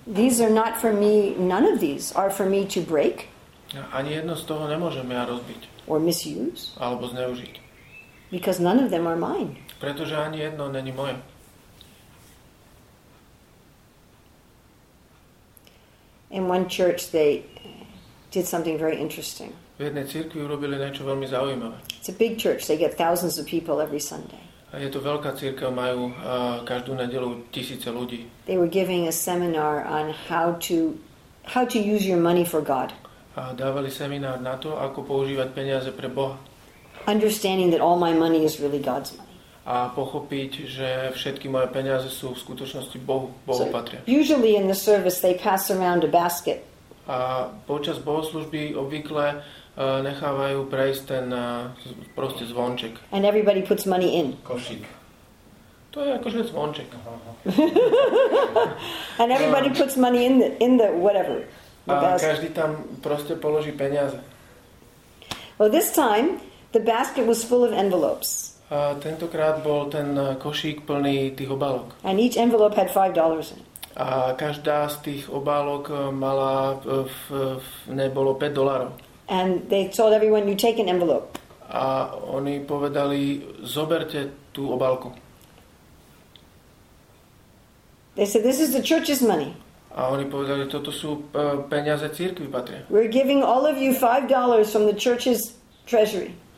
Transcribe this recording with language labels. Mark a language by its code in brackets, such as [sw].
[en] These are not for me, none of these are for me to break. [sk] Ani jedno z toho nemôžem ja rozbiť. [en] Or misuse. [sk] Alebo zneužiť. [en] Because none of them are mine. [sk] Pretože ani jedno není moje. [en] In one church they did something very interesting. [sk] V jednej cirkvi urobili niečo veľmi zaujímavé. [en] It's a big church. They get thousands of people every Sunday. [sk] A je to veľká cirkev, majú každú nedeľu tisíce ľudí. [en] They were giving a seminar on how to use your money for God. [sk] A dávali seminár na to, ako používať peniaze pre Boha. [en] Understanding that all my money is really God's money. [sk] A pochopiť, že všetky moje peniaze sú v skutočnosti Bohu patria. [en] Usually in the service they pass around a basket. [sk] A počas bohoslužby obvykle nechávajú prejsť ten proste zvonček. [en] And everybody puts money in. [sk] Košík. To je akože zvonček. [en] And everybody puts money in the whatever. [sk] A každý tam proste položí peniaze. [en] Well, this time the basket was full of envelopes. [sk] A tentokrát bol ten košík plný tých obálok. [en] And each envelope had $5 in it. [sk] A každá z tých obálok mala nebolo $5. [en] And they told everyone, you take an envelope. [sk] A oni povedali, zoberte tú obálku. [en] They said, this is the church's money. [sk] A oni povedali, toto sú peniaze cirkvi patria. [en] We're giving all of you $5 from the church's treasury.